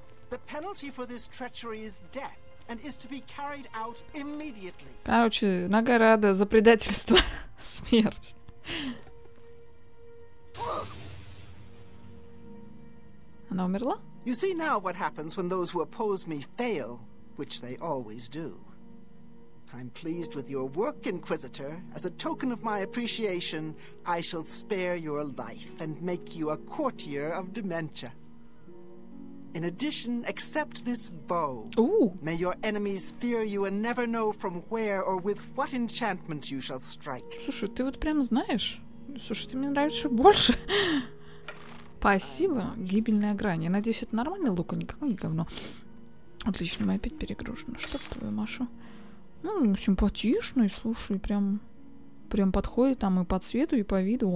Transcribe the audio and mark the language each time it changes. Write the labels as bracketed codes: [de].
[en] The penalty for this treachery is death, and is to be carried out immediately. [ru] Короче, награда за предательство — смерть. Она умерла? [en] You see now what happens when those who oppose me fail, which they always do. I'm pleased with your work, Inquisitor. As a token of my appreciation, I shall spare your life and make you a courtier of dementia. In addition, accept this bow. Ooh. May your enemies fear you and never know from where or with what enchantment you shall strike. [ru] Слушай, ты вот прям знаешь. Слушай, ты мне нравишься больше. Спасибо. Гибельная грань. Я надеюсь, это нормальный лук, а не какое-нибудь говно. Отлично, мы опять перегружены. Что ты, твою Машу? Ну, симпатичный, слушай, прям... Прям подходит там и по цвету, и по виду.